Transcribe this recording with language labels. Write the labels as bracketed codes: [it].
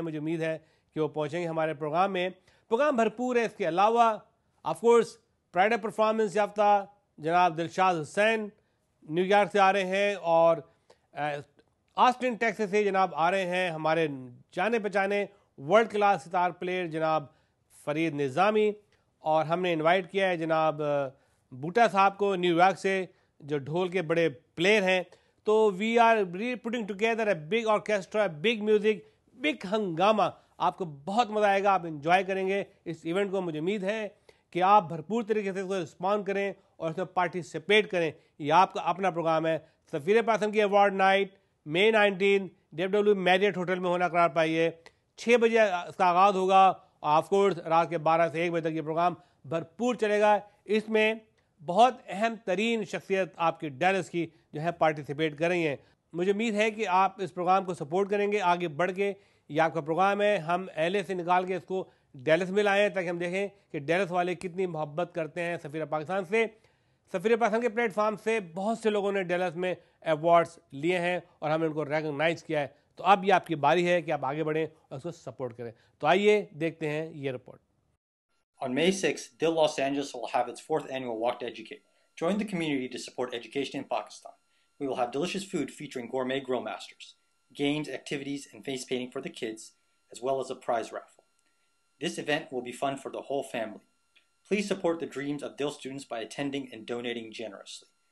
[ur] مجھے امید ہے کہ وہ پہنچیں گے ہمارے پروگرام میں. پروگرام بھرپور ہے. اس کے علاوہ [en] of course pride of performance [ur] یافتہ جناب دلشاد حسین نیو یارک سے آ رہے ہیں، اور آسٹن ٹیکسس سے جناب آ رہے ہیں ہمارے جانے پہچانے ورلڈ کلاس ستار پلیئر جناب فرید نظامی، اور ہم نے انوائٹ کیا ہے جناب بوٹا صاحب کو نیو یارک سے، جو ڈھول کے بڑے پلیئر ہیں. [en] تو we are re putting together a big orchestra, big music, big ہنگامہ. [ur] آپ کو بہت مزہ آئے گا، آپ انجوائے کریں گے اس ایونٹ کو. مجھے امید ہے کہ آپ بھرپور طریقے سے اس کو رسپونڈ کریں اور اس میں پارٹیسپیٹ کریں. یہ آپ کا اپنا پروگرام ہے. سفیر پاکستان کی award night [en] May 19 [ur] WW Marriott hotel میں ہونا قرار پائیے. 6 بجے اس کا آغاز ہوگا، آف کورس رات کے 12 سے 1 بجے تک یہ پروگرام بھرپور چلے گا. اس میں بہت اہم ترین شخصیت آپ کی ڈیلس کی جو ہے پارٹیسپیٹ کر رہی ہیں. مجھے امید ہے کہ آپ اس پروگرام کو سپورٹ کریں گے آگے بڑھ کے. یہ آپ کا پروگرام ہے, ہم اہلے سے نکال کے اس کو ڈیلس میں لائیں تاکہ ہم دیکھیں کہ ڈیلس والے کتنی محبت کرتے ہیں سفیر پاکستان سے. سفیر پاکستان کے پلیٹ فارم سے بہت سے لوگوں نے ڈیلس میں ایوارڈز لیے ہیں اور ہم نے ان کو ریکگنائز کیا ہے. تو اب یہ آپ کی باری ہے کہ آپ آگے بڑھیں اور اس کو سپورٹ کریں. تو آئیے دیکھتے ہیں یہ report. [en] On May 6th, DIL Los Angeles will have its 4th annual Walk to Educate. Join the community to support education in Pakistan. We will have delicious food featuring gourmet grill masters, games, activities, and face painting for the kids, as well as a prize raffle. This event will be fun for the whole family. Please support the dreams of DIL students by attending and donating generously.